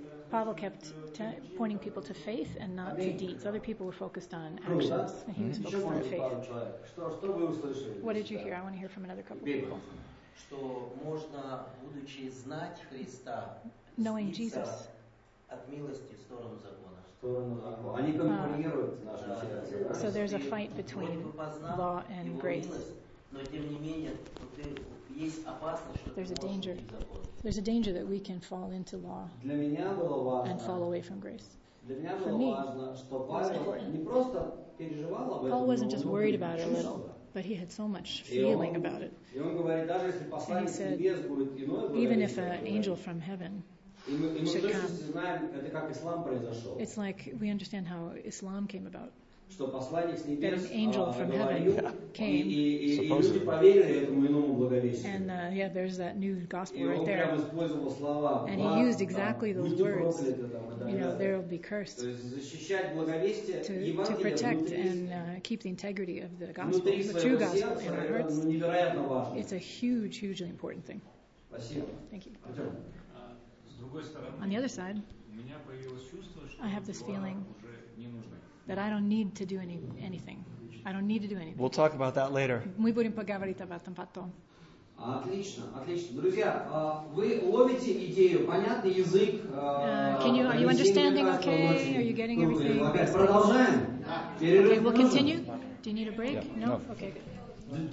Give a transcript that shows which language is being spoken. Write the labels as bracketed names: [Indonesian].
[English] Павел kept pointing people to faith and not to deeds. Other people were focused on actions. He was focused on faith. What did you hear? I want to hear from another couple of people. [Russian] Что можно, будучи знать Христа, [English] knowing Jesus, [Russian] от милости в сторону закона. Они конкурируют в нашем сердце. [English] So there's a fight between law and grace. [Russian] Но тем не менее, есть опасность, что [English] there's a danger. There's a danger that we can fall into law and fall away from grace. For me, [Russian] что Павел не просто переживал об этом. [English] Paul wasn't just worried about it a little. But he had so much feeling about it. So he said, even if an angel from heaven should come, it's like we understand how Islam came about. That an angel from heaven came. And yeah, there's that new gospel right there. And he used exactly those words. You know, there will be cursed. To protect and keep the integrity of the gospel, the true gospel in our hearts. It's a huge, hugely important thing. Thank you. On the other side, I have this feeling that I don't need to do anything. I don't need to do anything. We'll talk about that later. [Russian] Мы будем поговорить об этом потом. Отлично. Друзья, вы ловите идею, понятный язык. [English] Can you, are you understanding okay? Are you getting everything? [Russian] Okay, продолжаем. [English] Okay, we'll continue. Do you need a break? Yeah. No? Okay, good.